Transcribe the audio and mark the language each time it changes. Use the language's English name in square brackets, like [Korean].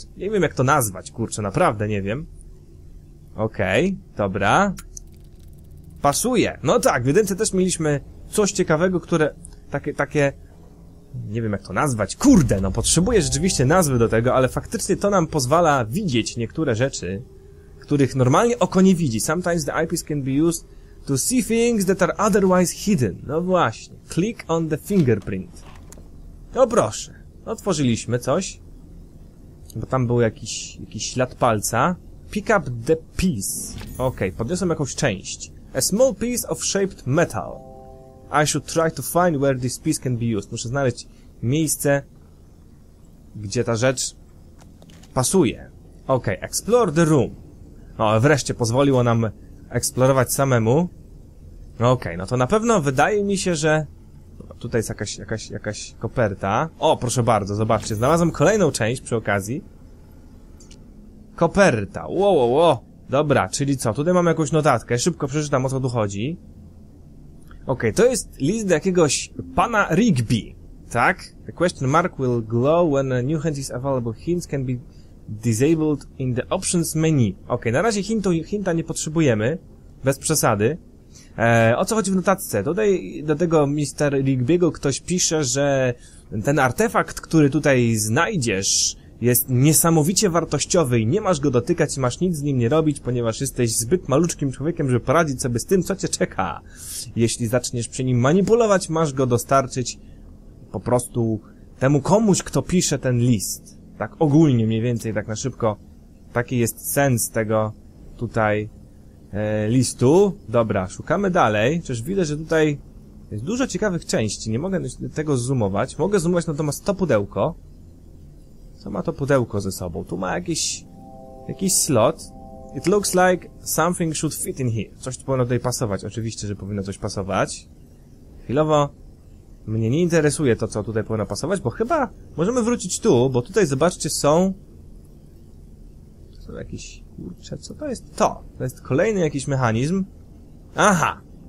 [Polish] Nie wiem, jak to nazwać, kurczę, naprawdę nie wiem. Okej, dobra. Pasuje. No tak, w jedynce też mieliśmy coś ciekawego, które... Takie... Nie wiem, jak to nazwać. Kurde, no potrzebuję rzeczywiście nazwy do tego, ale faktycznie to nam pozwala widzieć niektóre rzeczy, których normalnie oko nie widzi. [English] Sometimes the eyepiece can be used to see things that are otherwise hidden. [Polish] No właśnie. [English] Click on the fingerprint. [Polish] No proszę. Otworzyliśmy coś. Bo tam był jakiś ślad palca. [English] Pick up the piece. [Polish] Okej, podniosłem jakąś część. [English] A small piece of shaped metal. I should try to find where this piece can be used. [Polish] Muszę znaleźć miejsce, gdzie ta rzecz pasuje. Okej, [English] explore the room. [Polish] No, wreszcie pozwoliło nam eksplorować samemu. Okej, no to na pewno wydaje mi się, że... Tutaj jest jakaś koperta. O, proszę bardzo, zobaczcie, znalazłem kolejną część przy okazji. Koperta, wo. Dobra, czyli co, tutaj mam jakąś notatkę, szybko przeczytam, o co tu chodzi. Okej, to jest list do jakiegoś pana Rigby, tak? [English] The question mark will glow when a new hint is available. Hints can be disabled in the options menu. [Polish] Okej, na razie hinta nie potrzebujemy, bez przesady. O co chodzi w notatce? Tutaj do tego Mr. Rigby'ego ktoś pisze, że ten artefakt, który tutaj znajdziesz, jest niesamowicie wartościowy i nie masz go dotykać, masz nic z nim nie robić, ponieważ jesteś zbyt maluczkim człowiekiem, żeby poradzić sobie z tym, co cię czeka. Jeśli zaczniesz przy nim manipulować, masz go dostarczyć po prostu temu komuś, kto pisze ten list. Tak ogólnie, mniej więcej, tak na szybko. Taki jest sens tego tutaj listu. Dobra, szukamy dalej. Przecież widzę, że tutaj jest dużo ciekawych części. Nie mogę tego zoomować. Mogę zoomować natomiast to pudełko. Co ma to pudełko ze sobą? Tu ma jakiś slot. [English] It looks like something should fit in here. [Polish] Coś tu powinno tutaj pasować. Oczywiście, że powinno coś pasować. Chwilowo mnie nie interesuje to, co tutaj powinno pasować, bo chyba możemy wrócić tu, bo tutaj zobaczcie, są jakieś... Kurczę, co to jest to? To jest kolejny jakiś mechanizm. Aha!